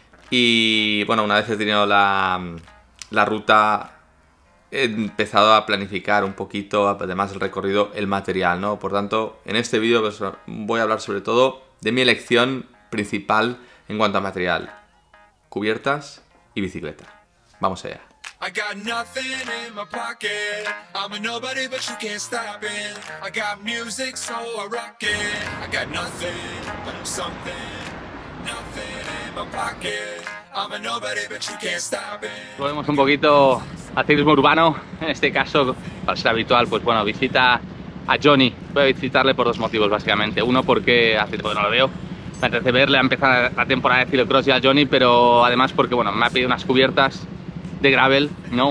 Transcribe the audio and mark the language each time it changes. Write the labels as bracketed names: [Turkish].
[Spanish] Y bueno, una vez he tenido la ruta, he empezado a planificar un poquito, además del recorrido, el material, ¿no? Por tanto, en este vídeo pues, voy a hablar sobre todo de mi elección principal en cuanto a material: cubiertas y bicicleta. Vamos allá. [English] I got nothing in my pocket. I'm a nobody, but you can't stop it. I got music, so I rock it. I got nothing, but I'm something. Nothing in my pocket. I'm a nobody, but you can't stop it. [Spanish] Volvemos un poquito al ciclismo urbano. En este caso, para ser habitual, pues bueno, visita a Johnny. Voy a visitarle por dos motivos, básicamente. Uno, porque hace tiempo que no lo veo. Me apetece verle a empezar la temporada de ciclocross ya a Johnny, pero además porque, bueno, me ha pedido unas cubiertas de gravel, ¿no?